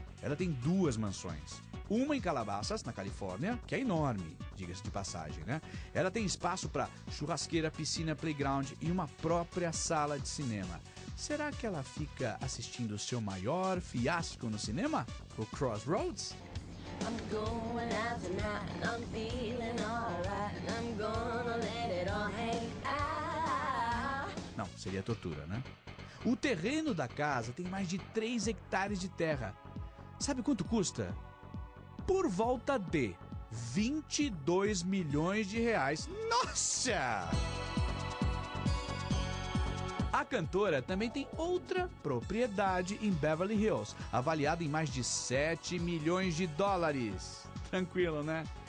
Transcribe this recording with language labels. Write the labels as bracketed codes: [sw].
[pt] Ela tem duas mansões. Uma em Calabasas, na Califórnia, que é enorme, diga-se de passagem, né? Ela tem espaço para churrasqueira, piscina, playground e uma própria sala de cinema. Será que ela fica assistindo o seu maior fiasco no cinema? O Crossroads? [en] I'm going out tonight, I'm feeling alright, I'm gonna let it all hang out. [pt] Não, seria tortura, né? O terreno da casa tem mais de 3 hectares de terra. Sabe quanto custa? Por volta de 22 milhões de reais. Nossa! A cantora também tem outra propriedade em Beverly Hills, avaliada em mais de 7 milhões de dólares. Tranquilo, né?